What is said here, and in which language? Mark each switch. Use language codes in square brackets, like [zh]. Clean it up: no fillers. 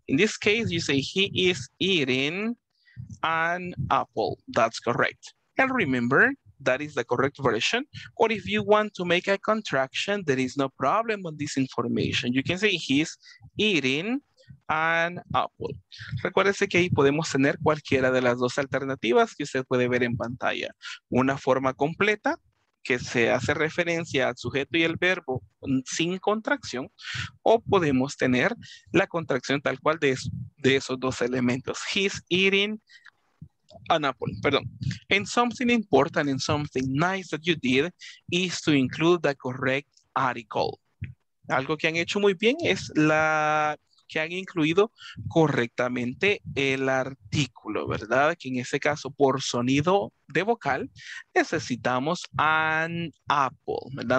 [en] In this case, you say he is eating an apple. That's correct. And remember, that is the correct version. Or if you want to make a contraction, there is no problem with this information. You can say he's eating an apple. [es] Recuérdese que ahí podemos tener cualquiera de las dos alternativas que usted puede ver en pantalla. Una forma completa que se hace referencia al sujeto y el verbo sin contracción, o podemos tener la contracción tal cual de esos dos elementos. [en] He's eating an apple. Perdón. And something important and something nice that you did is to include the correct article. [es] Algo que han hecho muy bien es que han incluido correctamente el artículo, ¿verdad? Que en ese caso, por sonido de vocal, necesitamos [en] an apple, [es] ¿verdad?